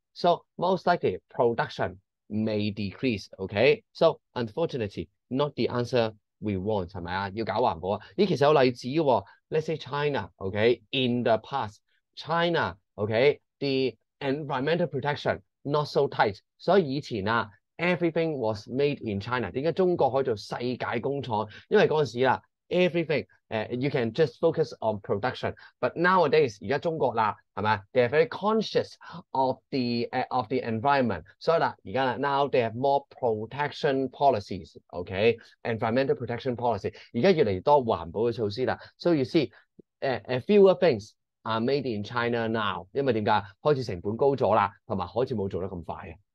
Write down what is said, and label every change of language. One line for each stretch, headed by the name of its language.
English: So most likely production may decrease. Okay, so unfortunately, not the answer we want.
Cantonese: 系咪啊？要搞环保啊？咦，其实有例子喎。
English: Let's say China, okay, in the past, China, okay, the environmental protection not so tight.
Cantonese: 所以以前啊，
English: everything was made in China.
Cantonese: 点解中国可以做世界工厂？因为嗰阵时啊，
English: everything, you can just focus on production. But nowadays，
Cantonese: 而家中国啦，系咪？
English: They are very conscious of the environment.
Cantonese: 所以啦，而家啦，
English: now they have more protection policies. Okay, environmental protection policy.
Cantonese: 而家越嚟越多环保嘅措施啦。
English: So you see, fewer things are made in China now.
Cantonese: 因为点解？开始成本高咗啦，同埋开始冇做得咁快啊。